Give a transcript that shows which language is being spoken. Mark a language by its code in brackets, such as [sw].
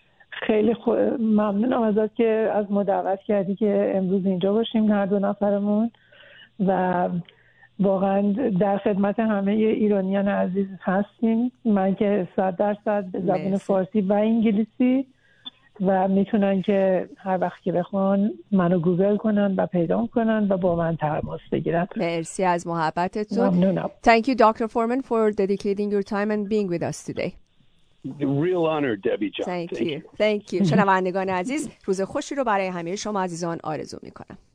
[fa] خیلی ممنونم ازت که از ما دعوت کردی که امروز اینجا باشیم هر دو نفرمون و واقعا در خدمت همه ایرانیان عزیز هستیم. من که 100% به زبان فارسی و انگلیسی و میتونن که هر وقت که بخوان منو گوگل کنن و پیدا کنن و با من تماس بگیرن. مرسی از محبتتون. [en] Thank you Dr. Forman for dedicating your time and being with us today. The real honor, Debbie John. Thank you. [fa] شنوندگان عزیز روز خوشی رو برای همه شما عزیزان آرزو میکنم.